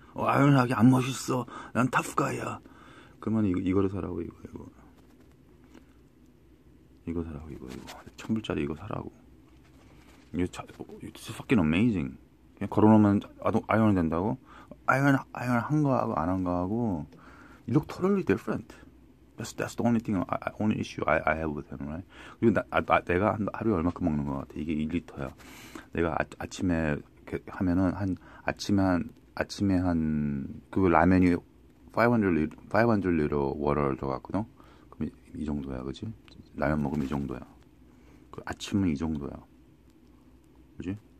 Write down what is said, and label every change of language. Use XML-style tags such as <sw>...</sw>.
<ko>아이언하기 안 멋있어. 난 타프가이야. 그러면 이거를 사라고, 이거 사라고, 이거. 1000불짜리 이거 사라고. It's fucking amazing. 그냥 걸어놓으면 아이언이 된다고? 아이언 한 거하고 안한 거하고.</ko> <en>You look totally different. That's the only thing, only issue I have with him, right?</en> <ko>그리고 내가 하루에 얼마큼 먹는 거 같아. 이게 1리터야. 내가 아침에 하면은 아침에 한그 라면이 500 liter water 들어갔거든. 그럼 이 정도야, 그지? 라면 먹으면 이 정도야. 그 아침은 이 정도야, 그지?</ko>